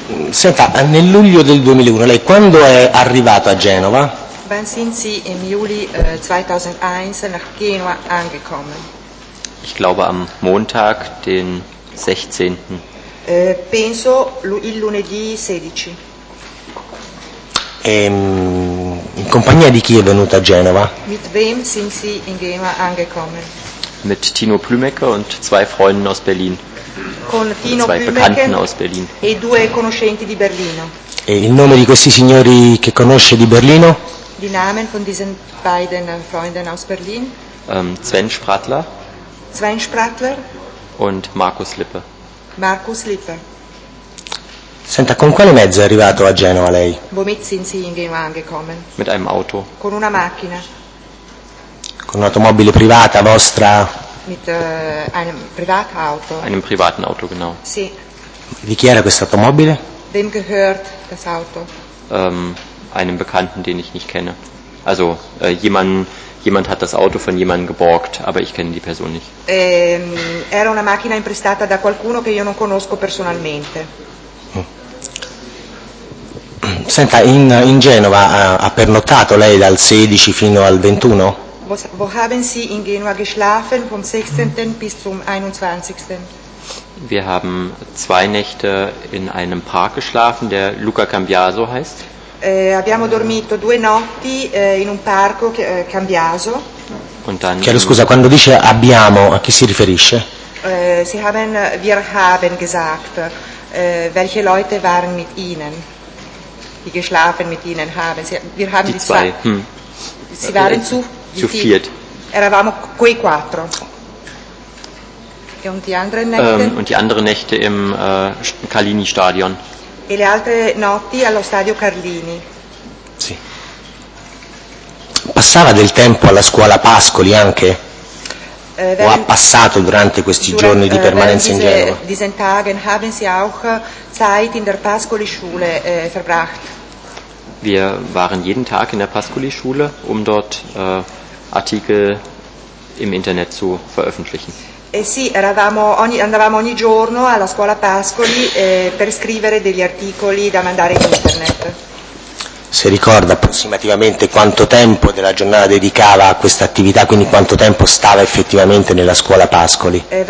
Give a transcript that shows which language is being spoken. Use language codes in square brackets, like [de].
[it] Senta, nel luglio del 2001 lei quando è arrivato a Genova? [de] Ben sind Sie im Juli 2001 nach Genua angekommen? Ich glaube am Montag den 16. [it] Penso il lunedì 16. In compagnia di chi è venuto a Genova? [de] Mit wem sind Sie in Genua angekommen? Mit Tino Plümecke und zwei Freunden aus Berlin. [it] Con Tino [de] zwei Plümecke Bekannten aus Berlin. [it] E due conoscenti di Berlino. E il nome di questi signori che conosce di Berlino? [de] Die Namen von diesen beiden Freunden aus Berlin? Sven Spratler. Sven Spratler. Und Markus Lippe. Markus Lippe. [it] Senta, con quale mezzo è arrivato a Genova lei? [de] Womit sind Sie in Genua angekommen? Mit einem Auto. [it] Con una macchina. Con un'automobile privata vostra? [de] Mit einem Privatauto. Einem privaten Auto, genau. [it] Sì. Di chi era questa automobile? [de] Wem gehört das Auto? Einem Bekannten, den ich nicht kenne. Also jemand hat das Auto von jemandem geborgt, aber ich kenne die Person nicht. [it] Era una macchina imprestata da qualcuno che io non conosco personalmente. Senta, in Genova ha pernottato lei dal 16 fino al 21? [de] Wo haben Sie in Genua geschlafen vom 16. bis zum 21. Wir haben zwei Nächte in einem Park geschlafen, der Luca Cambiaso heißt. [it] Abbiamo dormito due notti in un parco Cambiaso. [de] Und dann [it] chiedo scusa, quando dice abbiamo, a chi si riferisce? [de] Wir haben gesagt, welche Leute waren mit Ihnen? Die geschlafen mit Ihnen haben. Wir haben die zwei. Sie waren zu viert. [it] Eravamo quei quattro. [de] Und die anderen Nächte? Und die anderen Nächte im Carlini-Stadion. [it] E le altre notti allo stadio Carlini. Sì. Passava del tempo alla scuola Pascoli anche? O ha passato durante questi giorni di permanenza in Genova? [de] In diesen Tagen haben Sie auch Zeit in der Pascoli-Schule verbracht. Wir waren jeden Tag in der Pascoli-Schule, um dort Artikel im Internet zu veröffentlichen. [it] Sì, andavamo ogni giorno alla scuola Pascoli per scrivere degli articoli da mandare in internet. Si ricorda approssimativamente quanto tempo della giornata dedicava a questa attività, quindi quanto tempo stava effettivamente nella scuola Pascoli?